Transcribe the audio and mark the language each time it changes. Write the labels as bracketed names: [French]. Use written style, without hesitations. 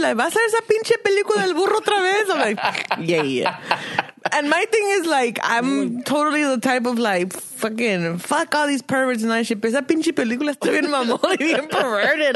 [Spanish] Like, ¿vas a ver esa pinche película del burro otra vez? [English] I'm like, yeah, yeah. And my thing is, like, I'm totally the type of, like, fucking fuck all these perverts and that shit. [Spanish] Esa pinche película está bien mamón y bien perverted.